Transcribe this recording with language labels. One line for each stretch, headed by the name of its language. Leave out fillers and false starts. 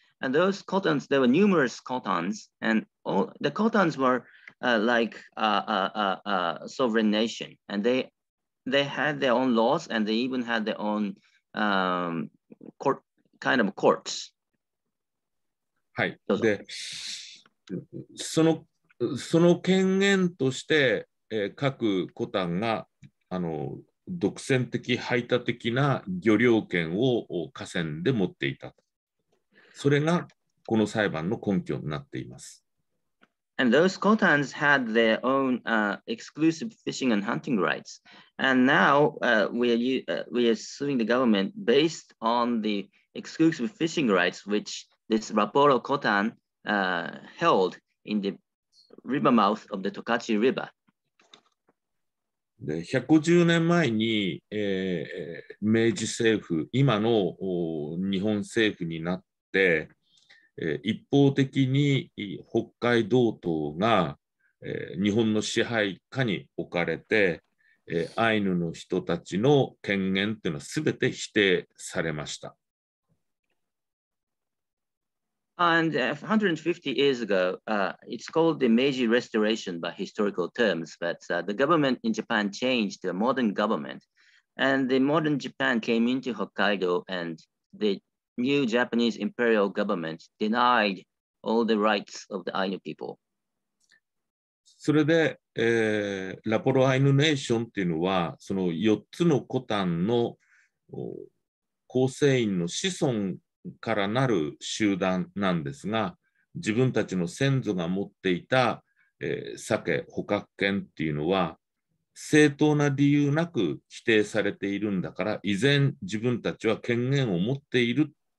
English: And those kotans, there were numerous kotans, and all the kotans were like a sovereign nation, and they had their own laws and they even had their own court, kind of courts.
Japanese: はい。で、その権限として、各コタンが独占的排他的な漁領権を河川で持っていた。それがこの裁判の根拠になっています。
English: And those Kotans had their own exclusive fishing and hunting rights. And now we are suing the government based on the exclusive fishing rights which this Raporo Kotan held in the river mouth of the Tokachi River.
Japanese: で、150年前に、明治政府、今の日本政府になって、一方的に北海道島が日本の支配下に置かれて、アイヌの人たちの権限というのはすべて否定されました。
English: And 150 years ago, it's called the Meiji Restoration by historical terms, but the government in Japan changed to a modern government, and the modern Japan came into Hokkaido and the New Japanese Imperial Government denied all the rights of the Ainu people.
Japanese: それで、ラポロアイヌネーションっていうのは、その4つのコタンの構成員の子孫からなる集団なんですが、自分たちの先祖が持っていた、サケ捕獲権っていうのは、正当な理由なく否定されているんだから、依然自分たちは権限を持っている。